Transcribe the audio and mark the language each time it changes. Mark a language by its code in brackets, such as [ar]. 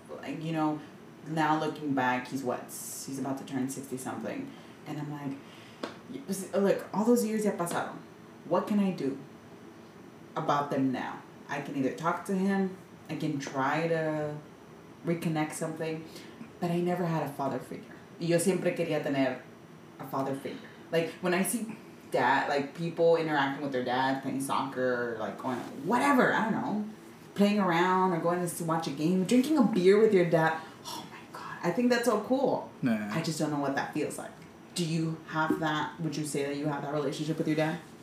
[en] Like, you know, now looking back, he's about to turn 60 something. And I'm like, look, all those years [es] ya pasaron. [en] What can I do about them now? I can either talk to him, I can try to reconnect something, but I never had a father figure. [es] Yo siempre quería tener [en] a father figure. Like, when I see dad, like, people interacting with their dad, playing soccer, or, like, going, whatever, I don't know, playing around or going to watch a game, drinking a beer with your dad. Oh my God, I think that's so cool. Nah. I just don't know what that feels like. Do you have that? Would you say that you have that relationship with your dad?